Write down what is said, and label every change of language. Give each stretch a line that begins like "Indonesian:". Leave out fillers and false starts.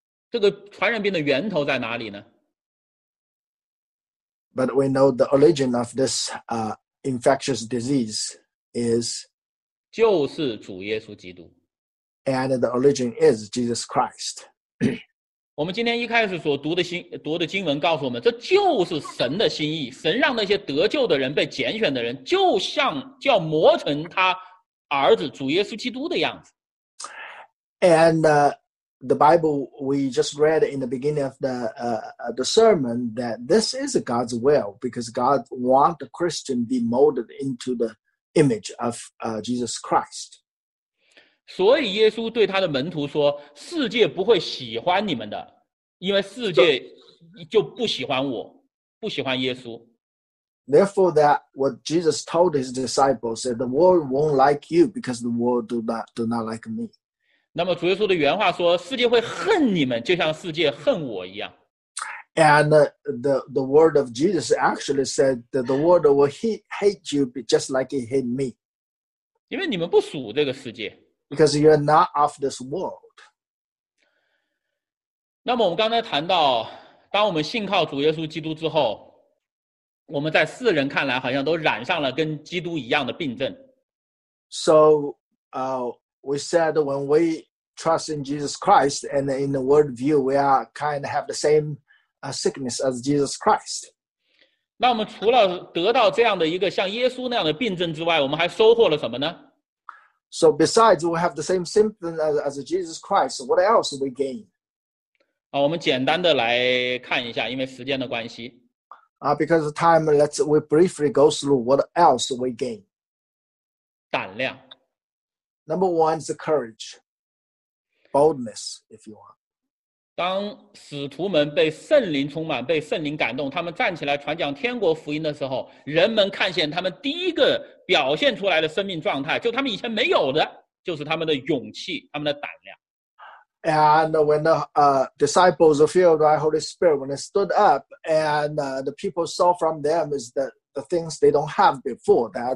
Chinese: 这个传染病的源头在哪里呢？
English: But we know the origin of this infectious disease. Is,
Chinese: 就是主耶稣基督
English: and the origin is Jesus Christ.
Chinese: 我们今天一开始所读的经文告诉我们，这就是神的心意。神让那些得救的人、被拣选的人，就像叫磨成他儿子主耶稣基督的样子。
English: And the Bible we just read in the beginning of the sermon that this is God's will because God wants the Christian be molded into theimage of Jesus Christ.
Chinese: 所以耶稣对他的门徒说，世界不会喜欢你们的，因为世界就不喜欢我，不喜欢耶稣。
English: Therefore, that what Jesus told his disciples said, the world won't like you because the world do not like me.
Chinese: 那么主耶稣的原话说，世界会恨你们，就像世界恨我一样。
English: And the word of Jesus actually said that the world will hate you just like it hate me.
Chinese: 因为你们不属这个世界。
English: Because you're not of this world.
Chinese: 那么我们刚才谈到，当我们信靠主耶稣基督之后，我们在世人看来好像都染上了跟基督一样的病症。
English: So, we said when we trust in Jesus Christ and in the world view, we are kind of have the same. A sickness as Jesus Christ.
Chinese: 那我们除了得到这样的一个像耶稣那样的病症之外，我们还收获了什么呢？
English: So besides we have the same symptom as Jesus Christ, what else we gain?
Chinese: 我们简单的来看一下，因为时间的关系。
English: Because of time, we briefly go through what else we gain.
Chinese: 胆量。
English: Number one is the courage. Boldness, if you want.
Chinese: 当使徒们被圣灵充满，被圣灵感动，他们站起来传讲天国福音的时候，人们看见他们第一个表现出来的生命状态，就他们以前没有的，就是他们的勇气，他们的胆量。
English: And when the disciples were filled by Holy Spirit, when they stood up, and the people saw from them is the things they don't have before.